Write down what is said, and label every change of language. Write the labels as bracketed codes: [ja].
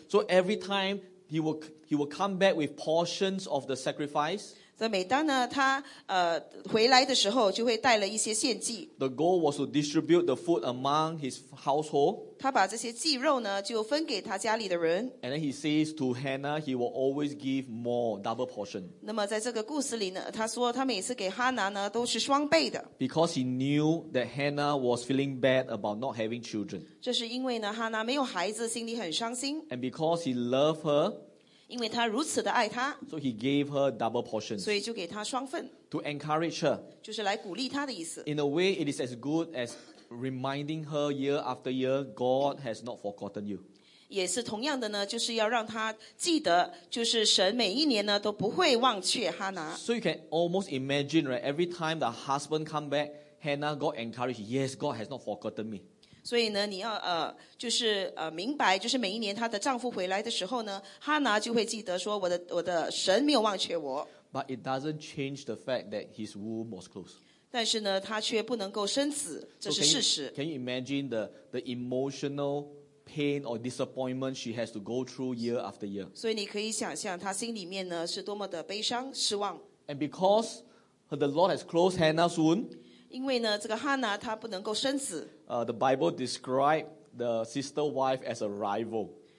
[en] So every time he will come back with portions of the sacrifice. [zh] 所以每当呢他回来的时候，就会带了一些献祭。 [en] The goal was to distribute the food among his household. [zh] 他把这些祭肉呢就分给他家里的人。 [en] And then he says to Hannah, he will always give more, double portion. [zh] 那么在这个故事里呢，他说他每次给哈拿呢都是双倍的。 [en] Because he knew that Hannah was feeling bad about not having children. [zh] 这是因为呢哈拿没有孩子，心里很伤心。 [en] And because he loved her, [zh] 因为他如此的爱他, [en] so he gave her double portions. [zh] 所以就给他双份, [en] to encourage her. [zh] 就是来鼓励他的意思。 [en] In a way, it is as good as reminding her year after year, God has not forgotten you. [zh] 也是同样的呢, 就是要让他记得, 就是神每一年呢, 都不会忘却哈拿。 [en] So you can almost imagine, right? Every time the husband come back, Hannah got encouraged. Yes, God has not forgotten me. [zh] 所以呢，你要就是明白，就是每一年她的丈夫回来的时候呢，哈拿就会记得说，我的神没有忘却我。 [en] But it doesn't change the fact that his womb was closed. [zh] 但是呢，她却不能够生子，这是事实。 [en] So can you imagine the emotional pain or disappointment she has to go through year after year? [zh] 所以你可以想象，她心里面呢是多么的悲伤、失望。 [en] And because the Lord has closed Hannah's womb. [zh] 因为呢，这个哈拿她不能够生子。 [en] The Bible described the sister wife as a rival.